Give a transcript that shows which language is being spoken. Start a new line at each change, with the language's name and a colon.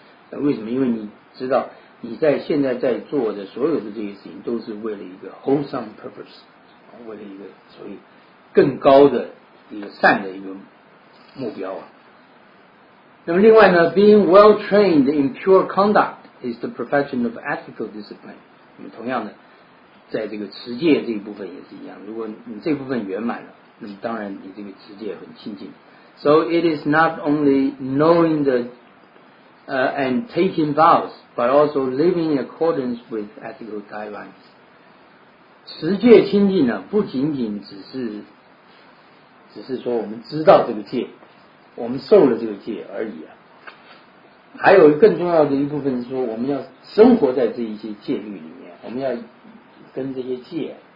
Chinese: 那为什么？因为你知道你在现在在做的所有的这些事情都是为了一个
English: wholesome purpose，
Chinese: 为了一个所谓更高的一个善的一个目标啊。那么另外呢，
English: being well trained in pure conduct is the perfection of ethical discipline。
Chinese: 那么同样的，在这个持戒这一部分也是一样，如果你这部分圆满了，那么当然你这个持戒很清净。
English: So it is not only knowing the and taking vows but also living in accordance with ethical guidelines。
Chinese: 持戒清净呢，不仅仅只是说我们知道这个戒，我们受了这个戒而已啊，还有更重要的一部分是说我们要生活在这一些戒律里面，我们要跟这些戒